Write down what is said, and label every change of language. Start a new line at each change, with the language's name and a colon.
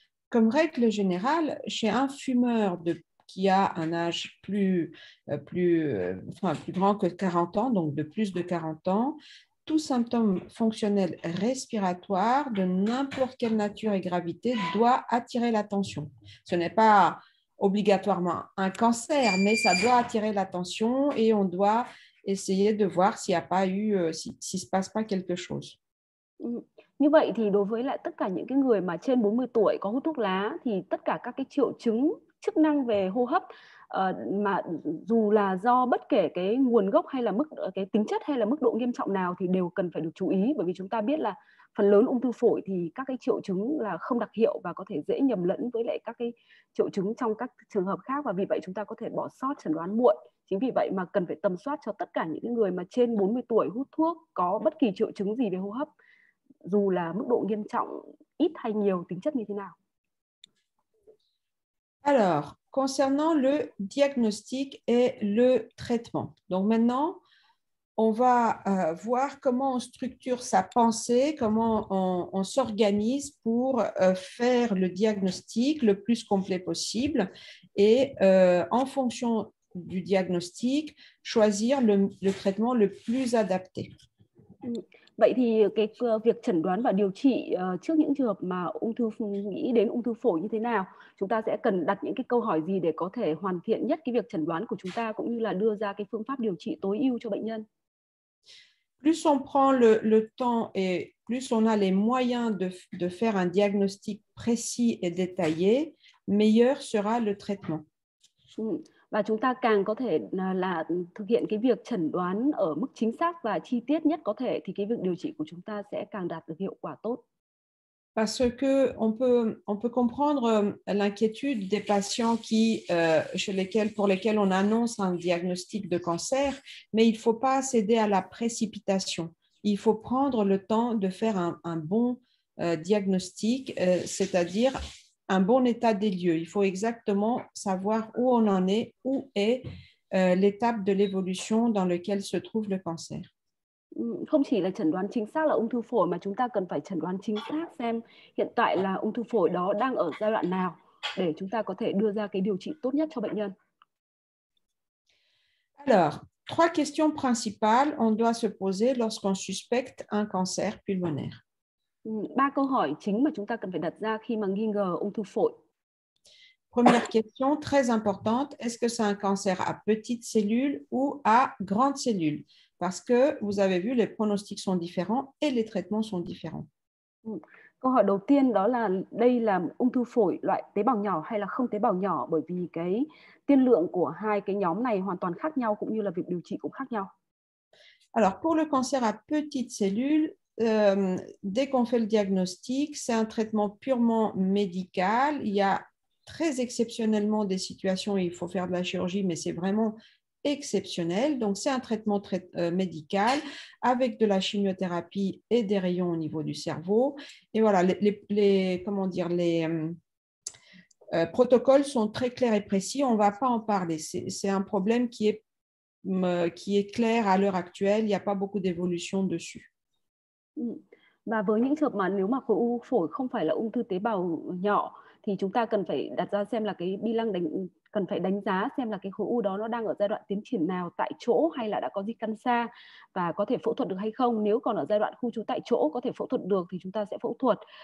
French: Comme règle générale, chez un fumeur qui a un âge enfin, plus grand que 40 ans, donc de plus de 40 ans, tout symptôme fonctionnel respiratoire de n'importe quelle nature et gravité doit attirer l'attention. Ce n'est pas obligatoirement un cancer, mais ça doit attirer l'attention et on doit essayer de voir s'il n'y a pas eu, s'il se passe pas quelque chose.
Vietnamese: Như vậy thì đối với lại tất cả những cái người mà trên 40 tuổi có hút thuốc lá thì tất cả các cái triệu chứng chức năng về hô hấp mà dù là do bất kể cái nguồn gốc hay là mức cái tính chất hay là mức độ nghiêm trọng nào thì đều cần phải được chú ý, bởi vì chúng ta biết là phần lớn ung thư phổi thì các cái triệu chứng là không đặc hiệu và có thể dễ nhầm lẫn với lại các cái triệu chứng trong các trường hợp khác, và vì vậy chúng ta có thể bỏ sót chẩn đoán muộn. Chính vì vậy mà cần phải tầm soát cho tất cả những người mà trên 40 tuổi hút thuốc có bất kỳ triệu chứng gì về hô hấp, dù là mức độ nghiêm trọng ít hay nhiều, tính chất như thế nào.
French: Alors, concernant le diagnostic et le traitement. Donc maintenant, on va voir comment on structure sa pensée, comment on s'organise pour faire le diagnostic le plus complet possible et en fonction du diagnostic, choisir le traitement le plus adapté.
Vietnamese: Vậy thì cái việc chẩn đoán và điều trị trước những trường hợp mà ung thư, nghĩ đến ung thư phổi như thế nào, chúng ta sẽ cần đặt những cái câu hỏi gì để có thể hoàn thiện nhất cái việc chẩn đoán của chúng ta cũng như là đưa ra cái phương pháp điều trị tối ưu cho bệnh nhân?
French: Plus on prend le temps et plus on a les moyens de faire un diagnostic précis et détaillé, meilleur sera le traitement.
Vietnamese: Và chúng ta càng có thể là thực hiện cái việc chẩn đoán ở mức chính xác và chi tiết nhất có thể thì cái việc điều trị của chúng ta sẽ càng đạt được hiệu quả tốt.
French: Parce que on peut comprendre l'inquiétude des patients qui chez lesquels pour lesquels on annonce un diagnostic de cancer, mais il faut pas céder à la précipitation. Il faut prendre le temps de faire un bon diagnostic, c'est-à-dire un bon état des lieux. Il faut exactement savoir où on en est, où est l'étape de l'évolution dans laquelle se trouve le cancer.
Vietnamese: Không chỉ là chẩn đoán chính xác là ung thư phổi mà chúng ta cần phải chẩn đoán chính xác xem hiện tại là ung thư phổi đó đang ở giai đoạn nào để chúng ta có thể đưa ra cái điều trị tốt nhất cho bệnh nhân.
French: Alors, trois questions principales on doit se poser lorsqu'on suspecte un cancer pulmonaire.
Vietnamese: Ba câu hỏi chính mà chúng ta cần phải đặt ra khi mà nghi ngờ ung thư phổi.
French: Première question très importante, est-ce que c'est un cancer à petites cellules ou à grandes cellules? Parce que vous avez vu, les pronostics sont différents et les traitements sont différents.
Vietnamese: Câu hỏi đầu tiên đó là đây là ung thư phổi loại tế bào nhỏ hay là không tế bào nhỏ, bởi vì cái tiên lượng của hai cái nhóm này hoàn toàn khác nhau cũng như là việc điều trị cũng khác nhau.
French: Alors, pour le cancer à petites cellules, dès qu'on fait le diagnostic, c'est un traitement purement médical. Il y a très exceptionnellement des situations où il faut faire de la chirurgie, mais c'est vraiment exceptionnel. Donc, c'est un traitement médical avec de la chimiothérapie et des rayons au niveau du cerveau. Et voilà, comment dire, les protocoles sont très clairs et précis. On ne va pas en parler. C'est un problème qui est clair à l'heure actuelle. Il n'y a pas beaucoup d'évolution dessus.
Vietnamese: Và với những trường hợp mà nếu mà khối u phổi không phải là ung thư tế bào nhỏ thì chúng ta cần phải đặt ra xem là cái bi lăng cần phải đánh giá xem là cái khối u đó nó đang ở giai đoạn tiến triển nào, tại chỗ hay là đã có di căn xa và có thể phẫu thuật được hay không. Nếu còn ở giai đoạn khu trú tại chỗ có thể phẫu thuật được thì chúng ta sẽ phẫu thuật.